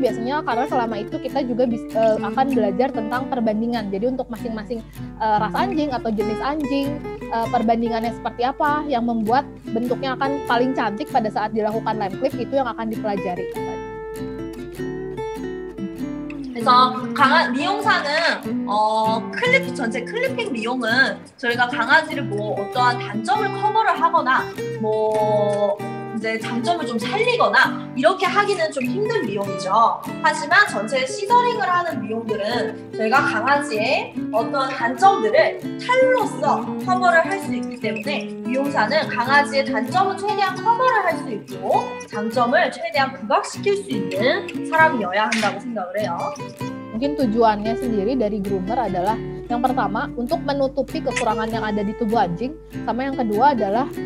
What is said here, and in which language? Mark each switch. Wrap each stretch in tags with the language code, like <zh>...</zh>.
<id>Biasanya karena selama itu kita juga akan belajar tentang perbandingan. Jadi untuk masing-masing ras anjing atau jenis anjing, perbandingannya seperti apa, yang membuat bentuknya akan paling cantik pada saat dilakukan lem clip, itu yang akan dipelajari.</id> <ko>그래서 미용사는 클립 전체 클리핑 미용은 저희가 강아지를 뭐 어떠한 단점을 커버를 하거나 뭐 이제 장점을 좀 살리거나 이렇게 하기는 좀 힘든 미용이죠. 하지만 전체 시저링을 하는 미용들은 저희가 강아지의 어떠한 단점들을 탈로써 커버를 할 수 있기 때문에 미용사는 강아지의 단점을 최대한 커버를 할 수 있고 장점을 최대한 부각시킬 수 있는 사람이어야 한다고 생각을 해요.</ko> <id>Mungkin tujuannya sendiri dari groomer adalah yang pertama untuk menutupi kekurangan yang ada di tubuh anjing, sama yang kedua adalah</id>